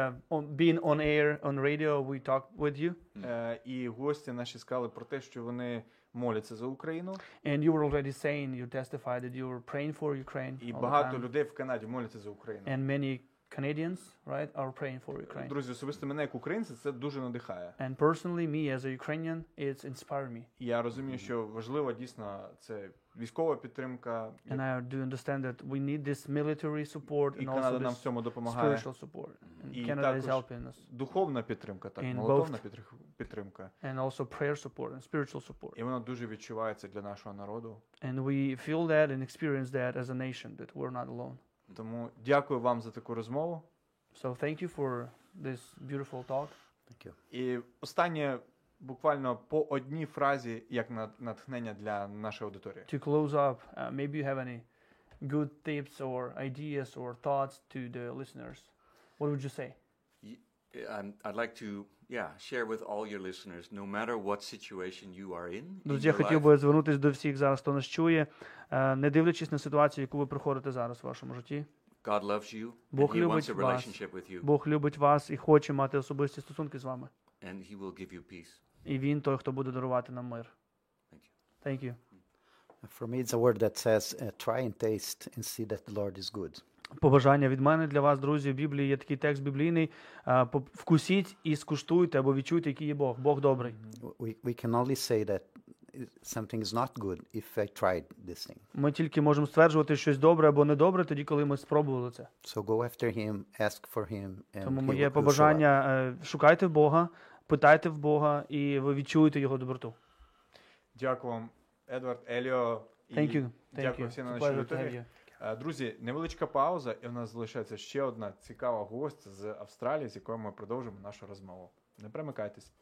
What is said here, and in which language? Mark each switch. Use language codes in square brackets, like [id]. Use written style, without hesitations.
[en] Being on air on radio we talked with you. [uk] І гості наші сказали про те, що вони моляться за Україну. [en] And you were already saying, you testified that you were praying for Ukraine. [uk] І багато людей в Канаді моляться за Україну. [en] And many Canadians, right, are praying for Ukraine. [uk] Друзі, особисто мене як українця це дуже надихає. [en] And personally me as a Ukrainian, it's inspired me. [uk] Я розумію, що важливо дійсно це військова підтримка. [en] And I do understand that we need this military support [uk] і [en] and Canada also [uk] нам в цьому допомагає. [en] Spiritual support. And [uk] і [en] Canada [uk] також [en] is helping us. [uk] Духовна підтримка, так, молитовна підтримка. [en] And also prayer support and spiritual support. [uk] І воно дуже відчувається для нашого народу. [en] And we feel that and experience that as a nation that we're not alone. [uk] Тому дякую вам за таку розмову. [en] So thank you for this beautiful talk. Thank you. [uk] І останнє, буквально по одній фразі, як натхнення для нашої аудиторії. [en] To close up, maybe you have any good tips or ideas or thoughts to the listeners. What would you say? I'd like to share with all your listeners, no matter what situation you are in. [uk] Друзі, я хотів би звернутися до всіх зараз, хто нас чує. Не дивлячись на ситуацію, яку ви проходите зараз в вашому житті. [en] God loves you. [uk] Бог любить вас. Бог любить вас і хоче мати особисті стосунки з вами. [en] And he will give you peace. [uk] І він той, хто буде дарувати нам мир. [en] Thank you. Thank you. For me it's a word that says try and taste and see that the Lord is good. [uk] Побажання від мене для вас, друзі, в Біблії є такий текст біблійний: вкусіть і скуштуйте або відчуйте, який є Бог. Бог добрий. [en] We can only say that something is not good if I tried this thing. [uk] Ми тільки можемо стверджувати щось добре або недобре тоді, коли ми спробували це. [en] So go after him, ask for him, and [uk] тому моє побажання шукайте Бога, питайте в Бога, і ви відчуєте його доброту. Дякую вам, Едвард, Еліо. [en] Thank you. [uk] Дякую всім на нашій аудиторії. Друзі, невеличка пауза, і у нас залишається ще одна цікава гость з Австралії, з якою ми продовжимо нашу розмову. Не перемикайтесь.